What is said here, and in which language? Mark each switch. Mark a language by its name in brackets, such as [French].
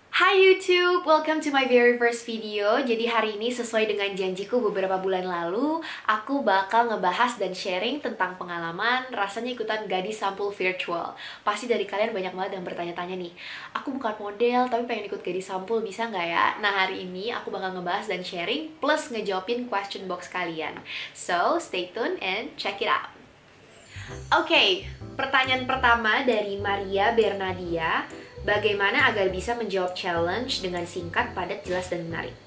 [English] Hi YouTube, welcome to my very first video. [Indonesian] Jadi hari ini sesuai dengan janjiku beberapa bulan lalu, aku bakal ngebahas dan sharing tentang pengalaman rasanya ikutan gadis sampul virtual. Pasti dari kalian banyak banget yang bertanya-tanya nih, aku bukan model tapi pengen ikut gadis sampul, bisa nggak ya? Nah hari ini aku bakal ngebahas dan sharing plus ngejawabin question box kalian. [English] So stay tuned and check it out. [Indonesian] Okay, pertanyaan pertama dari Maria Bernadia. Bagaimana agar bisa menjawab challenge dengan singkat, padat, jelas, dan menarik?